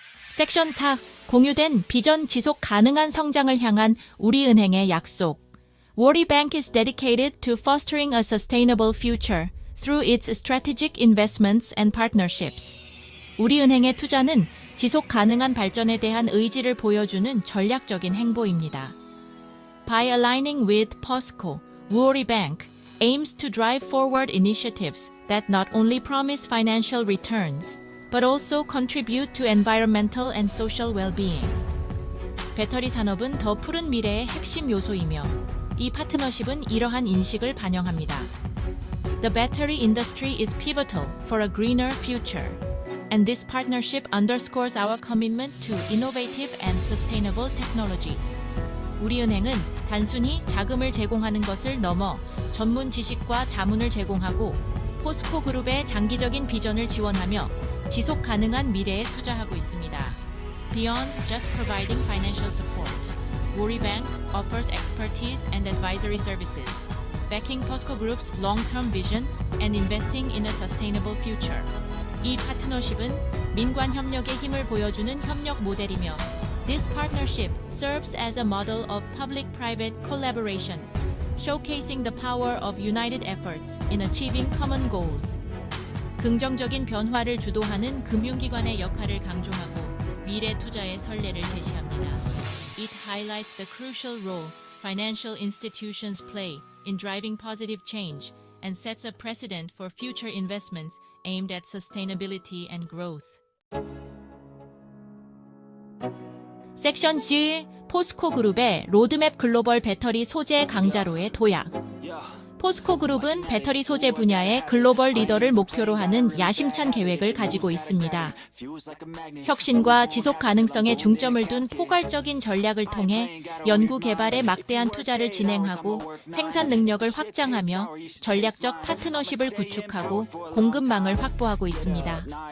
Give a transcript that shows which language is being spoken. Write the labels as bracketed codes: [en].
[ko] 섹션 4. 공유된 비전 지속 가능한 성장을 향한 우리은행의 약속. [en] Woori Bank is dedicated to fostering a sustainable future through its strategic investments and partnerships. [ko] 우리은행의 투자는 지속 가능한 발전에 대한 의지를 보여주는 전략적인 행보입니다. [en] By aligning with POSCO, Woori Bank aims to drive forward initiatives that not only promise financial returns, but also contribute to environmental and social well-being. [ko] 배터리 산업은 더 푸른 미래의 핵심 요소이며, 이 파트너십은 이러한 인식을 반영합니다. [en] The battery industry is pivotal for a greener future, and this partnership underscores our commitment to innovative and sustainable technologies. [ko] 우리은행은 단순히 자금을 제공하는 것을 넘어 전문 지식과 자문을 제공하고 포스코 그룹의 장기적인 비전을 지원하며 지속 가능한 미래에 투자하고 있습니다. [en] Beyond just providing financial support, Uribank offers expertise and advisory services, backing POSCO Group's long-term vision and investing in a sustainable future. [ko] 이 파트너십은 민관 협력의 힘을 보여주는 협력 모델이며, [en] This partnership serves as a model of public-private collaboration, showcasing the power of united efforts in achieving common goals. [ko] 긍정적인 변화를 주도하는 금융기관의 역할을 강조하고 미래 투자의 선례를 제시합니다. [en] It highlights the crucial role financial institutions play in driving positive change and sets a precedent for future investments aimed at sustainability and growth. [ko] 섹션 C, 포스코 그룹의 로드맵 글로벌 배터리 소재 강자로의 도약. 포스코 그룹은 배터리 소재 분야의 글로벌 리더를 목표로 하는 야심찬 계획을 가지고 있습니다. 혁신과 지속 가능성에 중점을 둔 포괄적인 전략을 통해 연구 개발에 막대한 투자를 진행하고 생산 능력을 확장하며 전략적 파트너십을 구축하고 공급망을 확보하고 있습니다.